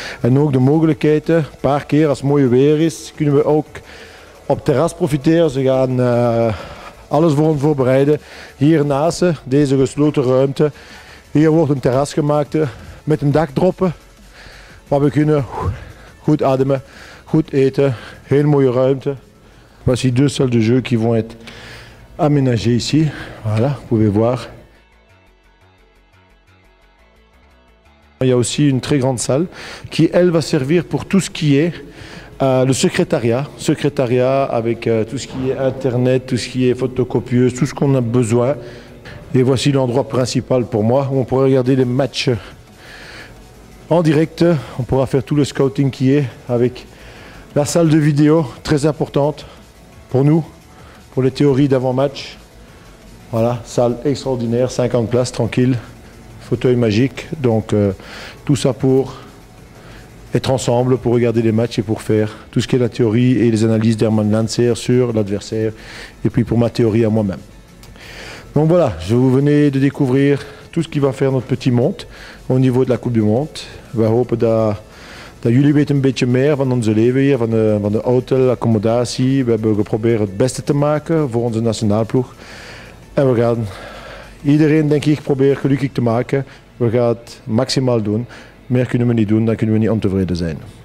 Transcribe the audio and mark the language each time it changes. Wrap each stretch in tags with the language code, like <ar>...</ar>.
<nl>En ook de mogelijkheid, een paar keer als het mooie weer is, kunnen we ook op terras profiteren. Ze gaan alles voor ons voorbereiden. Hiernaast, deze gesloten ruimte, hier wordt een terras gemaakt met een dak droppen. Waar we kunnen goed ademen, goed eten, heel mooie ruimte.</nl> <fr>Voici deux salles de jeu qui vont être aménagées ici. Voilà, vous pouvez voir. Il y a aussi une très grande salle qui, elle, va servir pour tout ce qui est le secrétariat. Secrétariat avec tout ce qui est internet, tout ce qui est photocopieuse, tout ce qu'on a besoin. Et voici l'endroit principal pour moi où on pourrait regarder les matchs en direct. On pourra faire tout le scouting qui est avec la salle de vidéo, très importante pour nous, pour les théories d'avant-match. Voilà, salle extraordinaire, 50 places, tranquille. Fauteuil magique, donc tout ça pour être ensemble, pour regarder les matchs et pour faire tout ce qui est la théorie et les analyses d'Hermann Lanzer sur l'adversaire et puis pour ma théorie à moi-même. Donc voilà, je vous venais de découvrir tout ce qui va faire notre petit monte au niveau de la Coupe du Monde.</fr> <nl>Je hope dat jullie weten een beetje meer van onze leven hier, van de hotel, accommodatie. We hebben geprobeerd het beste te maken voor onze nationaalploeg en we gaan. Iedereen, denk ik, probeert gelukkig te maken. We gaan het maximaal doen. Meer kunnen we niet doen, dan kunnen we niet ontevreden zijn.</nl>